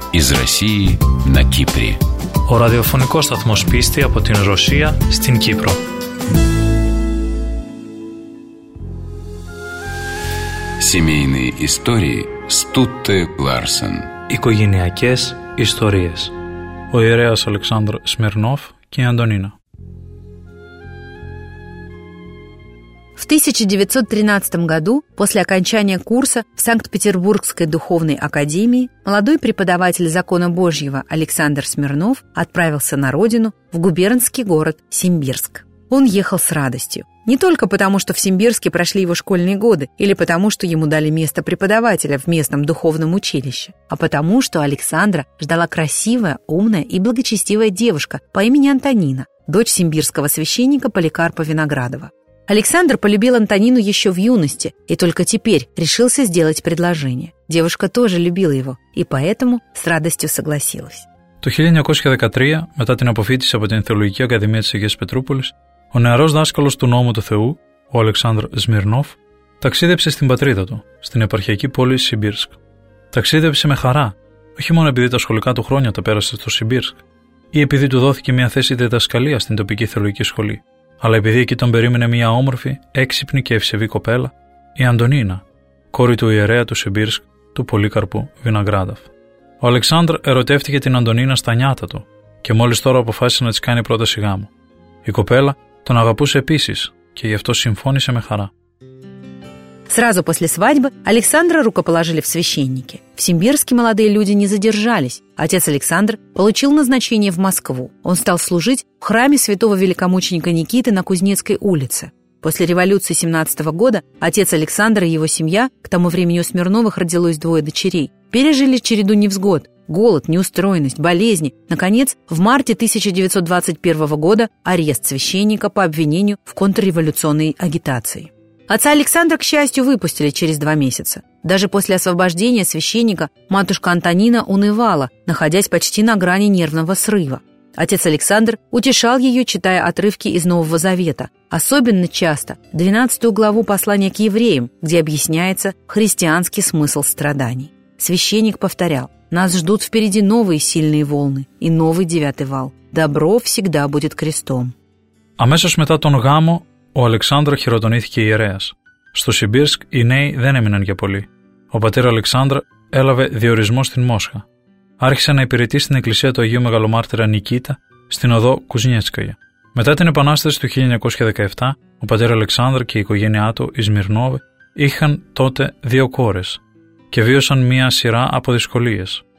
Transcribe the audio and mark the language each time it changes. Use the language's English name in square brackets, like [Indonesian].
[Russian] Из России на Кύπρο. [Greek] Ο ραδιοφωνικός σταθμός πίστη από την Ρωσία στην Κύπρο. [Russian] Семейные истории Стутте Ларсен. [Greek] Οικογενειακές ιστορίες. Ο ιερέας Αλεξάνδρ Σμυρνόφ και η Αντωνίνα. [Russian] В 1913 году, после окончания курса в Санкт-Петербургской духовной академии, молодой преподаватель закона Божьего Александр Смирнов отправился на родину, в губернский город Симбирск. Он ехал с радостью. Не только потому, что в Симбирске прошли его школьные годы, или потому, что ему дали место преподавателя в местном духовном училище, а потому, что Александра ждала красивая, умная и благочестивая девушка по имени Антонина, дочь симбирского священника Поликарпа Виноградова. Александр полюбил Антонину еще в юности и только теперь решился сделать предложение. Девушка тоже любила его и поэтому с радостью согласилась. [Greek] Το 1913, μετά την αποφύτηση από την Θεολογική Ακαδημία της Αγίας Πετρούπολης, ο νεαρός δάσκαλος του νόμου του Θεού, ο Αλεξάνδρ Σμυρνόφ, ταξίδεψε στην πατρίδα του, στην επαρχιακή πόλη Σιμπίρσκ. Ταξίδεψε με χαρά, όχι μόνο επειδή τα σχολικά του χρόνια τα πέρασε στο Σιμπίρσκ ή επειδή του δόθηκε μια θέση διδασκαλία στην τοπική θεολογική σχολή, αλλά επειδή εκεί τον περίμενε μια όμορφη, έξυπνη και ευσεβή κοπέλα, η Αντωνίνα, κόρη του ιερέα του Σιμπίρσκ, του Πολύκαρπου Βιναγκράδαφ. Ο Αλεξάνδρ ερωτεύτηκε την Αντωνίνα στα νιάτα του και μόλις τώρα αποφάσισε να της κάνει πρόταση γάμου. Η κοπέλα τον αγαπούσε επίσης και γι' αυτό συμφώνησε με χαρά. [Russian] Сразу после свадьбы Александра рукоположили в священники. В Симбирске молодые люди не задержались. Отец Александр получил назначение в Москву. Он стал служить в храме святого великомученика Никиты на Кузнецкой улице. После революции 1917 года отец Александр и его семья, к тому времени у Смирновых родилось двое дочерей, пережили череду невзгод – голод, неустроенность, болезни. Наконец, в марте 1921 года арест священника по обвинению в контрреволюционной агитации. Отца Александра, к счастью, выпустили через 2 месяца. Даже после освобождения священника матушка Антонина унывала, находясь почти на грани нервного срыва. Отец Александр утешал ее, читая отрывки из Нового Завета, особенно часто 12 главу послания к евреям, где объясняется христианский смысл страданий. Священник повторял: «Нас ждут впереди новые сильные волны и новый 9-й вал. Добро всегда будет крестом». [Greek] Амесос мета тон гамо ο Αλεξάνδρα χειροτονήθηκε ιερέας. Στο Σιμπίρσκ οι νέοι δεν έμειναν για πολύ. Ο πατήρ Αλεξάνδρα έλαβε διορισμό στην Μόσχα. Άρχισε να υπηρετεί στην εκκλησία του Αγίου Μεγαλομάρτυρα Νικήτα στην οδό Κουζνιέτσκαγια. Μετά την επανάσταση του 1917, ο πατήρ Αλεξάνδρα και η οικογένειά του, οι Σμυρνόβοι, είχαν τότε 2 κόρες και βίωσαν μία σειρά από δυσκολίες.